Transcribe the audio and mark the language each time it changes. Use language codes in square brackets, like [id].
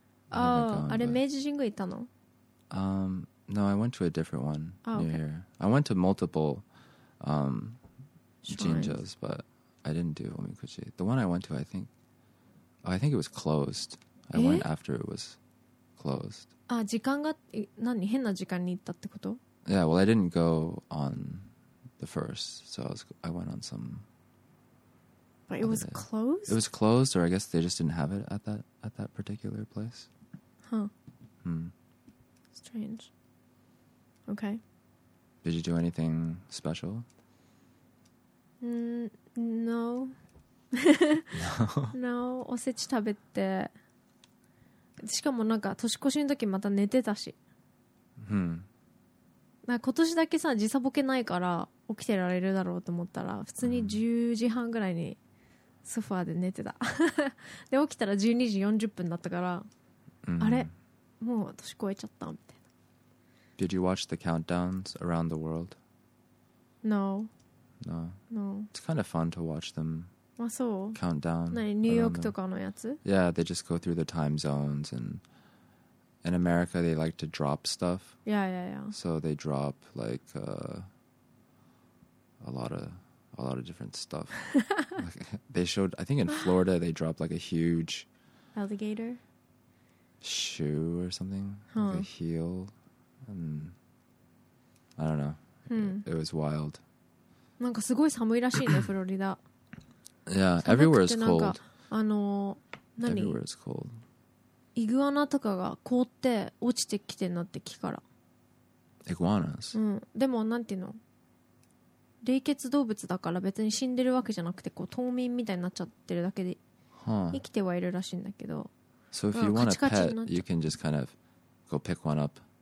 [ja] Oh, あれ明治神宮行ったの？ [en] No, I went to a different one near here. I went to multiple jinjos, but I didn't do おみくじ. The one I went to, I think it was closed. I went after it was closed. [ja] あ、時間が何？変な時間に行ったってこと？ [en] Yeah, well, I didn't go on the first, so I went on some. But it was closed? It was closed, or I guess they just didn't have it at that particular place. Huh. Hmm. Strange. Okay. Did you do anything special? No. No? No. [ja] おせち食べて。しかもなんか年越しの時また寝てたし。なんか今年だけさ、時差ボケないから起きてられるだろうと思ったら、普通に10時半ぐらいに。ソファーで寝てたで起きたら12時40分だったから、あれもう年越えちゃったみたいな。 [en] Did you watch the countdowns around the world? No. No. No. It's kind of fun to watch them. [ja] あ、そう。 [en] Countdown. [ja] 何、ニューヨークとかのやつ？ [en] Yeah, they just go through the time zones, and in America they like to drop stuff. Yeah, yeah, yeah. So they drop like a lot of different stuff. Like, they showed, I think in Florida, they dropped like a huge alligator shoe or something, huh. Like a heel. And I don't know. It was wild. [ja] なんかすごい寒いらしいね、フロリダ。 [en] Yeah, everywhere is cold. [ja] あの、何？ [en] Everywhere is cold. [ja] イグアナとかが凍って落ちてきてんなって木から。 [en] Iguanas. [ja] でもなんていうの？冷血動物だから別に死んでるわけじゃなくて、こう冬眠みたいになっちゃってるだけで生きてはいるらしいんだけど。 [en] So if you want a pet, you can just kind of go pick one up.